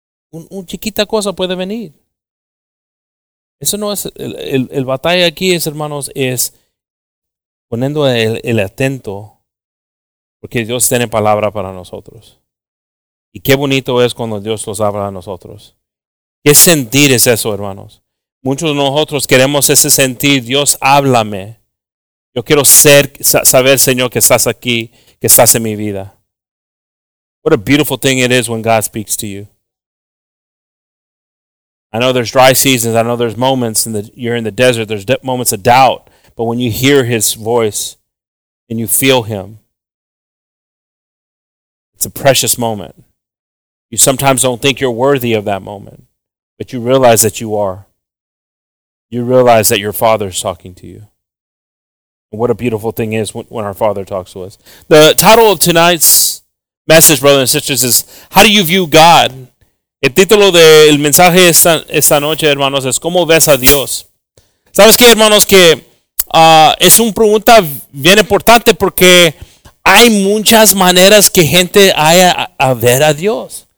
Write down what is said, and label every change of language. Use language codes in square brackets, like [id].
[es] Un chiquita cosa puede venir. Eso no es el batalla aquí, es, hermanos, es poniendo el atento, porque Dios tiene palabra para nosotros. Y qué bonito es cuando Dios nos habla a nosotros. ¿Qué sentir es eso, hermanos? Muchos de nosotros queremos ese sentir, Dios, háblame. Yo quiero saber, Señor, que estás aquí, que estás en mi vida. [en] What a beautiful thing it is when God speaks to you. I know there's dry seasons. I know there's moments you're in the desert. There's moments of doubt. But when you hear his voice and you feel him, it's a precious moment. You sometimes don't think you're worthy of that moment, but you realize that you are. You realize that your Father is talking to you. And what a beautiful thing is when our Father talks to us. The title of tonight's message, brothers and sisters, is How Do You View God? [es] El título del mensaje esta noche, hermanos, es ¿Cómo ves a Dios? ¿Sabes qué, hermanos? Que es una pregunta bien importante porque hay muchas maneras que gente hay a ver a Dios.